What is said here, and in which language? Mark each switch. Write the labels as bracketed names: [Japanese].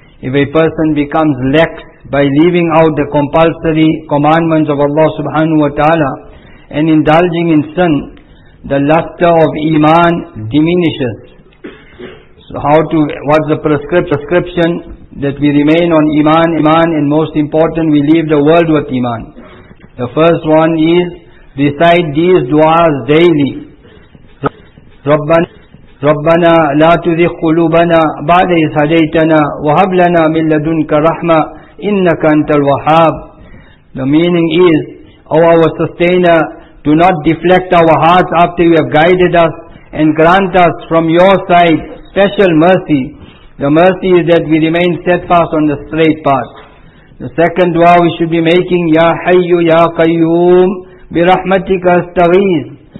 [English] If a person becomes lax by leaving out the compulsory commandments of Allah subhanahu wa ta'ala and indulging in sin, the luster of iman diminishes. So what's the prescription? That we remain on iman, and most important, we leave the world with iman. The first one is, recite these du'as daily. [Arabic] ربنا لا تزغ قلوبنا بعد إذ هديتنا وهب لنا من لدنك رحمة إنك أنت الوهاب. [English] The meaning is, O our sustainer, do not deflect our hearts after you have guided us and grant us from your side special mercy. The mercy is that we remain steadfast on the straight path. The second dua we should be making, Ya Hayyu Ya Qayyum [Arabic] برحمتك استغيث.